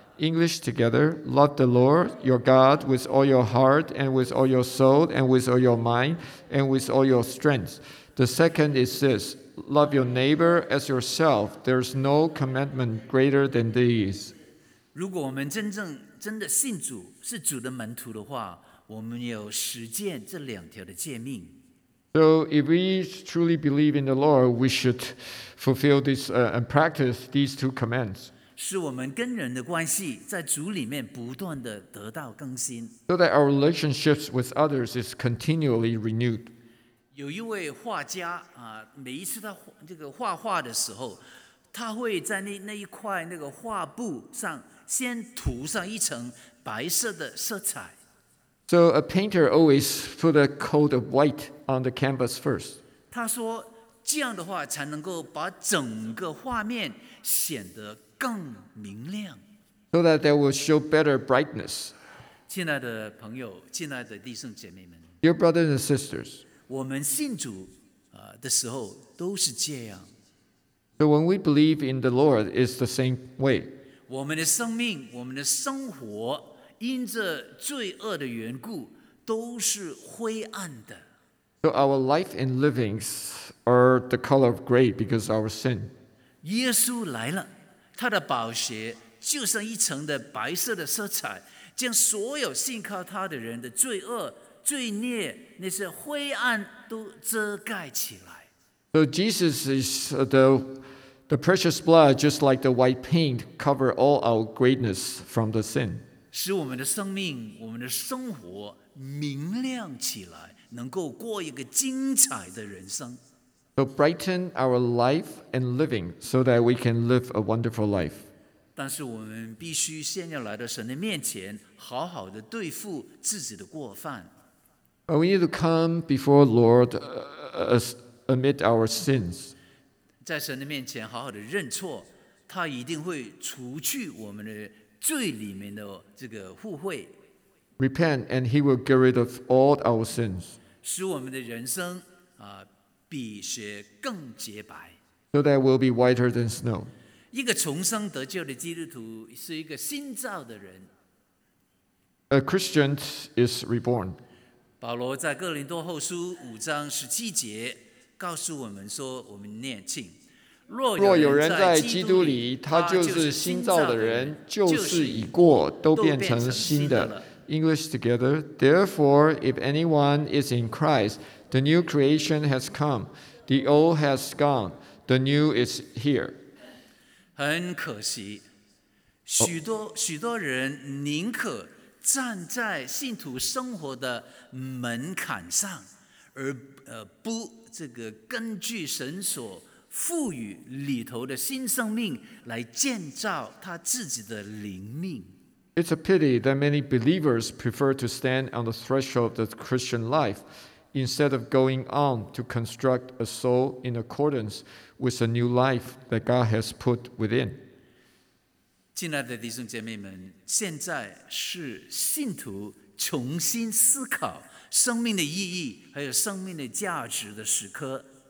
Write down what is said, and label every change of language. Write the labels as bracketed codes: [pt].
[en] English together: Love the Lord your God with all your heart and with all your soul and with all your mind and with all your strength. The second is this: Love your neighbor as yourself. There's no commandment greater than these. [zh] 如果我们真的信主，是主的门徒的话，我们有实践这两条的诫命。 [en] So if we truly believe in the Lord, we should fulfill this and practice these two commands. [zh] 使我们跟人的关系在主里面不断的得到更新。 [en] So that our relationships with others is continually renewed. [zh] 有一位画家每一次他这个画画的时候，他会在那一块那个画布上先涂上一层白色的色彩。 [en] So a painter always put a coat of white on the canvas first. [zh] 他说这样的话才能够把整个画面显得更明亮。 [en] So that they will show better brightness. [zh] 亲爱的朋友，亲爱的弟兄姐妹们。 [en] Dear brothers and sisters. [zh] 我们信主的时候都是这样。 [en] So when we believe in the Lord, it's the same way. [zh] 我们的生命，我们的生活，因着罪恶的缘故，都是灰暗的。 [en] So our life and livings are the color of gray because of our sin. [zh] 耶稣来了，他的宝血就像一层的白色的色彩，将所有信靠他的人的罪恶、罪孽，那些灰暗都遮盖起来。 [en] So Jesus is the precious blood, just like the white paint, cover all our greatness from the sin. [zh] 使我们的生命，我们的生活明亮起来，能够过一个精彩的人生。 [en] So brighten our life and living, so that we can live a wonderful life. [zh] 但是我们必须先要来到神的面前，好好的对付自己的过犯。 [en] But we need to come before the Lord admit our sins. [zh] 在神的面前好好的认错，他一定会除去我们的罪里面的这个污秽。 [en] Repent, and he will get rid of all our sins. [zh] 使我们的人生比雪更洁白。 [en] So that will be whiter than snow. [zh] 一个重生得救的基督徒是一个新造的人。 [en] A Christian is reborn. [zh] 保罗在哥林多后书五章十七节告诉我们说，我们念经。若有人在基督里，他就是新造的人，旧事已过，都变成新的。 [en] English together. Therefore, if anyone is in Christ, the new creation has come. The old has gone. The new is here. [zh] 很可惜，许多人宁可站在信徒生活的门槛上，而不这个根据神所赋予里头的新生命来建造他自己的灵命。 [en] It's a pity that many believers prefer to stand on the threshold of the Christian life instead of going on to construct a soul in accordance with a new life that God has put within. [zh] 亲爱的弟兄姐妹们，现在是信徒重新思考生命的意义还有生命的价值的时刻。